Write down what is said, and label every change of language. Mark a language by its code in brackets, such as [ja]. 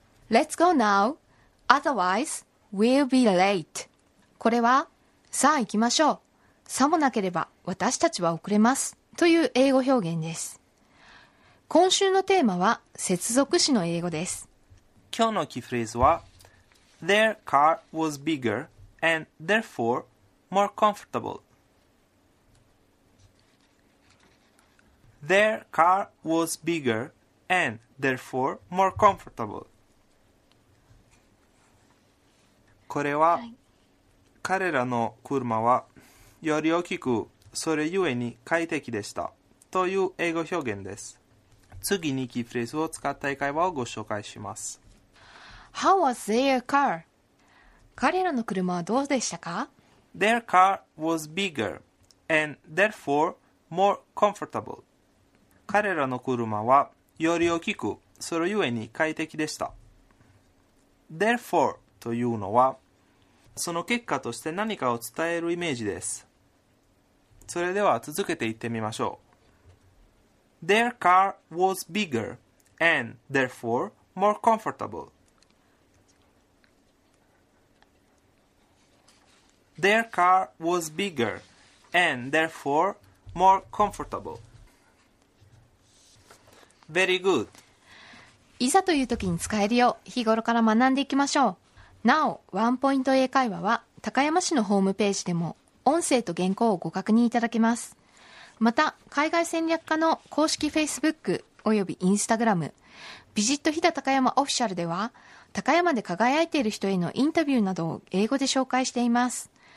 [en] Let's go now. Otherwise, we'll be late. [ja] これは、さあ行きましょう。さもなければ私たちは遅れますという英語表現です。今週のテーマは接続詞の英語です。今日のキーフレーズは [en] Their car was bigger and therefore more comfortable. Their car was bigger and therefore more comfortable. [ja] これは、はい、彼らの車はより大きく、それゆえに快適でした、という英語表現です。次にキーフレーズを使った英会話をご紹介します。 [en] How was their car? [ja] 彼らの車はどうでしたか? [en] Their car was bigger and therefore more comfortable. [ja] 彼らの車はより大きく、それゆえに快適でした。 Therefore というのは、その結果として何かを伝えるイメージです。それでは続けて言ってみましょう。 [en] Their car was bigger and therefore more comfortable. Their car was bigger and therefore more comfortable. Very good. [ja] いざという時に使えるよう日頃から学んでいきましょう。なお、ワンポイント英会話は高山市のホームページでも音声と原稿をご確認いただけます。また海外戦略課の公式 Facebook およびインスタグラムビジット飛騨高山オフィシャルでは高山で輝いている人へのインタビューなどを英語で紹介しています。